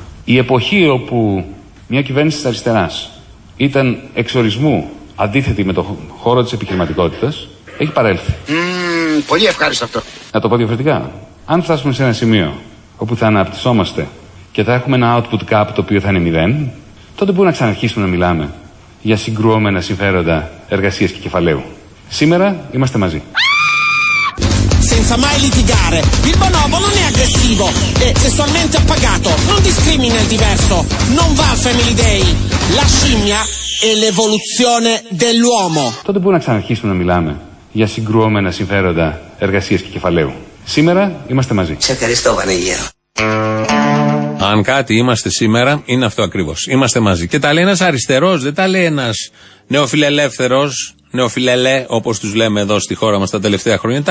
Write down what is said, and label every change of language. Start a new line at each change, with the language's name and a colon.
Greek: Η εποχή όπου μια κυβέρνηση της αριστεράς ήταν εξ ορισμού αντίθετη με το χώρο της επιχειρηματικότητας, έχει παρέλθει. Πολύ ευχάριστο αυτό. Να το πω διαφορετικά. Αν φτάσουμε σε ένα σημείο όπου θα αναπτυσσόμαστε και θα έχουμε ένα output cap το οποίο θα είναι 0, τότε μπορούμε να ξαναρχίσουμε να μιλάμε για συγκρουόμενα συμφέροντα εργασίας και κεφαλαίου. Σήμερα είμαστε μαζί.
Italian: Senza mai litigare, il bonobo non è aggressivo, è sessualmente appagato, non discrimina il diverso, non va al family day. La scimmia è l'evoluzione dell'uomo.
Greek: Τότε μπορούμε να ξαναρχίσουμε να μιλάμε για συγκρουόμενα συμφέροντα εργασίας και κεφαλαίου. Σήμερα είμαστε μαζί. Σε ευχαριστώ, Πανεγύρω. Αν κάτι είμαστε σήμερα, είναι αυτό ακριβώς. Είμαστε μαζί. Και τα λέει ένας αριστερός, δεν τα λέει ένας νεοφιλελεύθερος, νεοφιλελέ, όπως τους λέμε εδώ στη χώρα μας τα τελευταία χρόνια.